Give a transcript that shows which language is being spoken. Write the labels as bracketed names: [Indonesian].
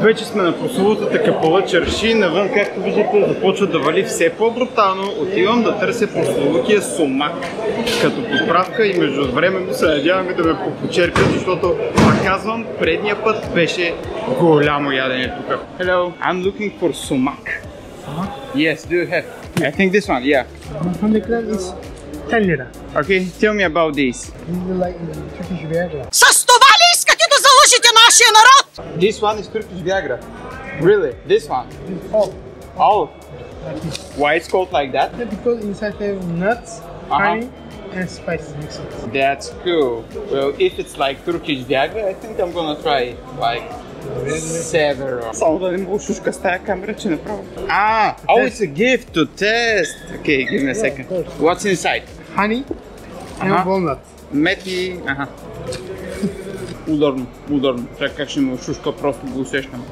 [Bulgarian] Вече сме на прословутата Капова чарши, навън, както виждате, започва да вали все по-брутално. Отивам да търся прословутия сумак като подправка и междувременно се надяваме да ме попочерпят, защото, пак казвам, предния път беше голямо ядене тук. [English] Hello, I'm looking for sumac. Uh-huh. Yes, do you have? Yeah. I think this one, yeah. From the club is 10 lira. Okay, tell me about this. This is like Turkish Viagra. [Bulgarian] С това ли искате да заложите нашия народ? [English] This one is Turkish Viagra. Really? This one? Oh. Oh. Why it's called like that? Yeah, because inside they have nuts, honey and spices mixed. That's cool. Well, if it's like Turkish Viagra, I think I'm gonna try it. Like... Several. [Bulgarian] Само да не мога шушка с тая камера, че направо. [English] Oh, it's a gift to test. Okay, give me a second. Yeah, what's inside? Honey and walnut. [Bulgarian] Мети. Ударно, ударно. Така ще има шушка, просто го усещам.